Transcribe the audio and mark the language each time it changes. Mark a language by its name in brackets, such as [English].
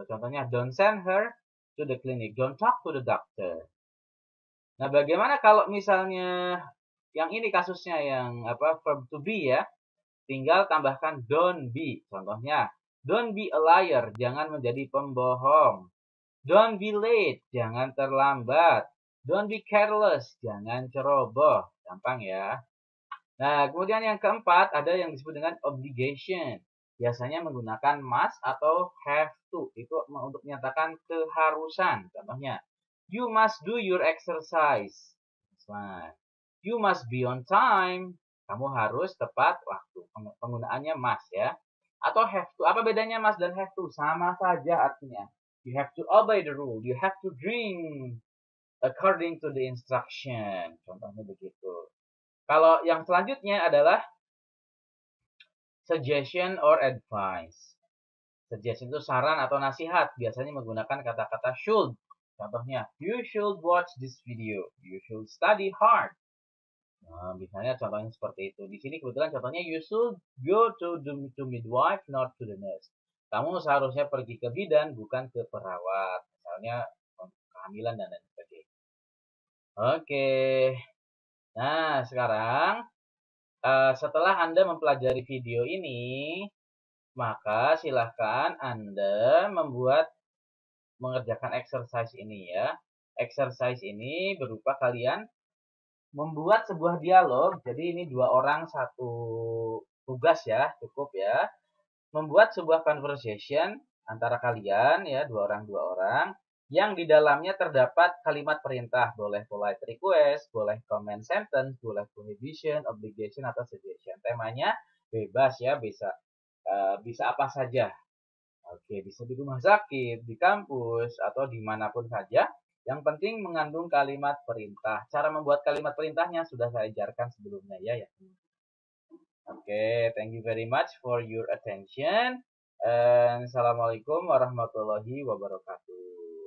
[English] Contohnya, don't send her to the clinic, don't talk to the doctor. [Indonesian] Nah, bagaimana kalau misalnya yang ini kasusnya yang apa verb to be ya? Tinggal tambahkan don't be. Contohnya, [English] don't be a liar, [Indonesian] jangan menjadi pembohong. [English] Don't be late, [Indonesian] jangan terlambat. [English] Don't be careless, [Indonesian] jangan ceroboh. Gampang ya. Nah, kemudian yang keempat, ada yang disebut dengan obligation. Biasanya menggunakan must atau have to. Itu untuk menyatakan keharusan. [English] Contohnya, you must do your exercise. You must be on time. [Indonesian] Kamu harus tepat waktu. Penggunaannya must ya. Atau have to. Apa bedanya must dan have to? Sama saja artinya. [English] You have to obey the rule. You have to drink according to the instruction. [Indonesian] Contohnya begitu. Kalau yang selanjutnya adalah suggestion or advice. Suggestion itu saran atau nasihat. Biasanya menggunakan kata-kata should. [English] Contohnya, you should watch this video. You should study hard. [Indonesian] Nah, misalnya contohnya seperti itu. Di sini kebetulan contohnya, [English] you should go to midwife, not to the nurse. [Indonesian] Kamu seharusnya pergi ke bidan, bukan ke perawat. Misalnya, kehamilan dan lain sebagainya. Oke. Nah, sekarang, setelah Anda mempelajari video ini, maka silakan Anda mengerjakan exercise ini ya. Exercise ini berupa kalian membuat sebuah dialog. Jadi ini dua orang satu tugas ya, cukup ya. Membuat sebuah conversation antara kalian ya, dua orang, yang di dalamnya terdapat kalimat perintah, boleh polite request, boleh comment sentence, boleh prohibition, obligation atau suggestion. Temanya bebas ya, bisa apa saja. Oke, bisa di rumah sakit, di kampus atau dimanapun saja. Yang penting mengandung kalimat perintah. Cara membuat kalimat perintahnya sudah saya ajarkan sebelumnya ya. [English] Oke, thank you very much for your attention. And [Arabic] assalamualaikum warahmatullahi wabarakatuh.